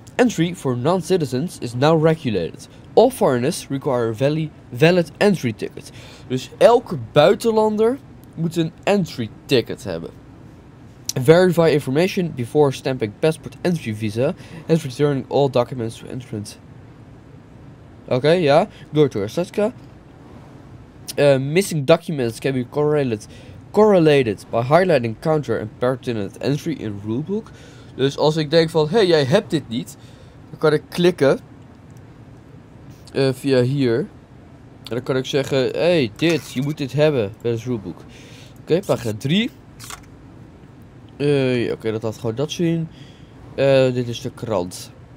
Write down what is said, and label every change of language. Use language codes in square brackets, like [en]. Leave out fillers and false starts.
[en] Entry for non-citizens is now regulated. All foreigners require a valid entry ticket. [nl] Dus elke buitenlander moet een entry ticket hebben. [en] Verify information before stamping passport entry visa and returning all documents to entrance. Oké. Go to Asetka. Missing documents can be correlated by highlighting counter and pertinent entry in rulebook. [nl] Dus als ik denk van, hey, jij hebt dit niet, dan kan ik klikken. Via hier. En dan kan ik zeggen, hey, dit, je moet dit hebben bij het rulebook. Oké, pagina 3. Oké, dat had gewoon dat zien. Dit is de krant.